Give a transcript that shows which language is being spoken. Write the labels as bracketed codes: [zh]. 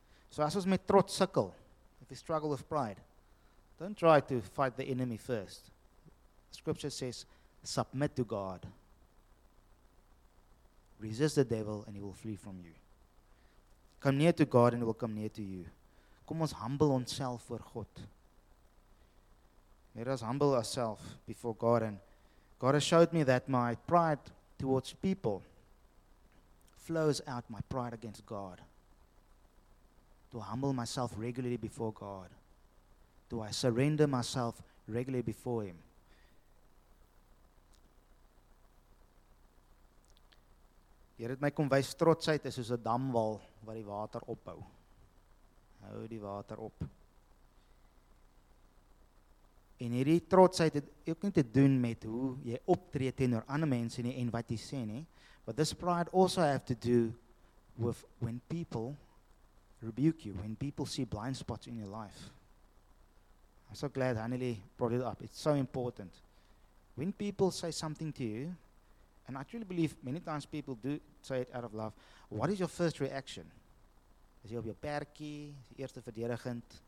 [af] So as ons met trots sukkel, [en] if we struggle with pride, don't try to fight the enemy first. Scripture says, submit to God. Resist the devil and he will flee from you. Come near to God and he will come near to you. [af] Kom ons humble onself voor God. [en] Let us humble ourselves before God. And God has showed me that my pride towards people flows out my pride against God. Do I humble myself regularly before God? Do I surrender myself regularly before him? [af] Hier het my kom wys, trotsheid is soos 'n damwal wat die water ophou. Hou die water op. En hierdie trotsheid het ook nie te doen met hoe jy optree teenoor ander mense nie en wat jy sê nie. [en] But this pride also have to do with when people rebuke you, when people see blind spots in your life. I'm so glad Hanely brought it up. It's so important. When people say something to you, and I truly believe many times people do say it out of love, what is your first reaction? [af] Is jy op jou perkie, is jy eerste verdedigend?